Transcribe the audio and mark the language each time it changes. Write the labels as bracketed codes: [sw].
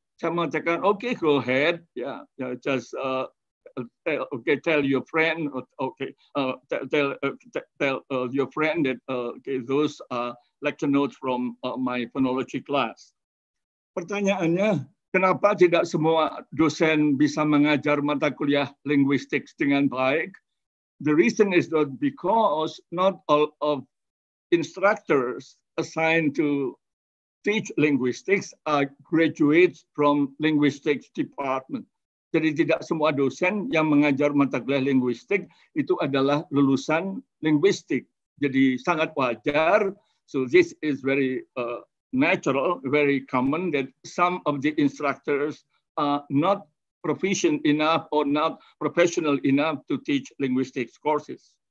[id] Saya mengatakan, [en] okay, go ahead, yeah, just tell your friend, tell your friend that those are lecture notes from my phonology class. [id] Pertanyaannya, kenapa tidak semua dosen bisa mengajar mata kuliah linguistics dengan baik? [en] The reason is that because not all of instructors assigned to teach linguistics are graduates from linguistics department. [id] Jadi tidak semua dosen yang mengajar mata kuliah linguistik itu adalah lulusan linguistik. Jadi sangat wajar. [en] So this is very natural, very common that some of the instructors are not proficient enough or not professional enough to teach linguistics courses.